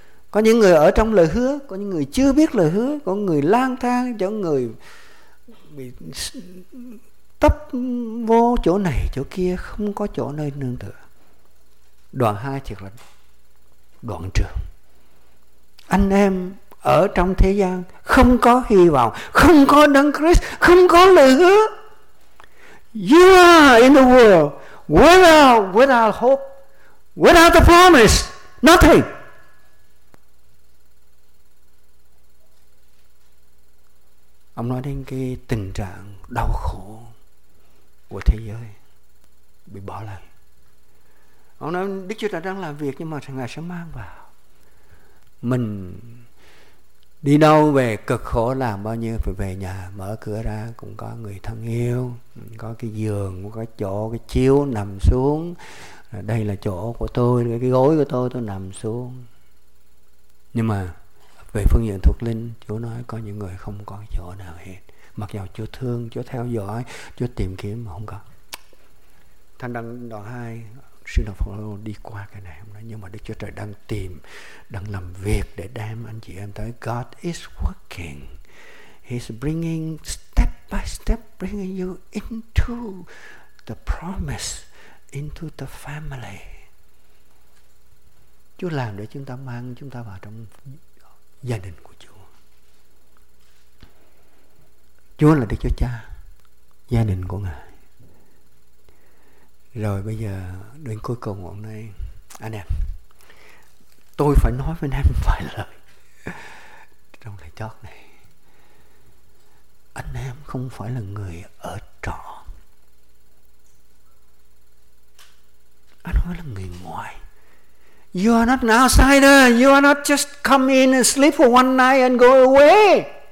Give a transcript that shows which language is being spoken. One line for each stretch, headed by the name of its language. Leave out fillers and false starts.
Vietnamese: Có những người ở trong lời hứa, có những người chưa biết lời hứa, có người lang thang, có người bị tấp vô chỗ này chỗ kia, không có chỗ nơi nương tựa. Đoạn 2 thiệt là đoạn trường. Anh em ở trong thế gian không có hy vọng, không có Đấng Christ, không có lời hứa.
English: You are in the world without hope, without the promise, nothing.
Vietnamese: Ông nói đến cái tình trạng đau khổ của thế giới bị bỏ lại. Ông nói Đức Chúa Trời đang làm việc, nhưng mà Ngài sẽ mang vào. Mình đi đâu về cực khổ làm bao nhiêu, phải về nhà mở cửa ra cũng có người thân yêu, có cái giường, có chỗ, cái chiếu nằm xuống. Đây là chỗ của tôi, cái gối của tôi nằm xuống. Nhưng mà về phương diện thuộc linh, Chúa nói có những người không có chỗ nào hết. Mặc dù Chúa thương, Chúa theo dõi, Chúa tìm kiếm mà không có. Thánh Đăng đoạn 2, sư đồ Phaolô đi qua cái này, ông nói nhưng mà Đức Chúa Trời đang tìm, đang làm việc để đem anh chị em tới.
English: God is working. He's bringing step by step, bringing you into the promise, into the family.
Vietnamese: Chúa làm để chúng ta mang chúng ta vào trong gia đình của Chúa. Chúa là Đức Chúa Cha, gia đình của Ngài. Rồi bây giờ đến cuối cùng hôm nay, anh em, tôi phải nói với anh em vài lời trong lời chót này. Anh em không phải là người ở trọ, anh nói là người ngoài.
English: You are not an outsider. You are not just come in and sleep for one night and go away.